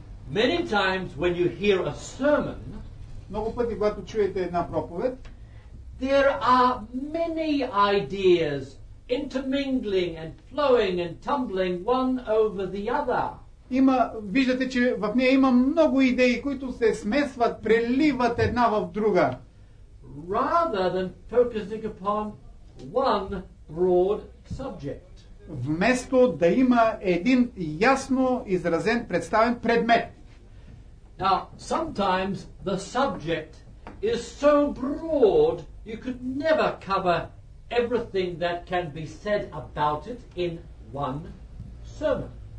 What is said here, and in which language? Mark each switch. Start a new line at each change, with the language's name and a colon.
English: Many times when you hear a sermon,
Bulgarian: много пъти когато чуете една проповед,
English: there are many ideas intermingling and flowing and tumbling one over the other.
Bulgarian: има, виждате, че в нея има много идеи, които се смесват, преливат една в друга.
English: Rather than focusing upon one broad subject.
Bulgarian: Вместо да има един ясно изразен, представен предмет.
English: Now, sometimes the subject is so broad you could never cover everything that can be said about it in one sermon.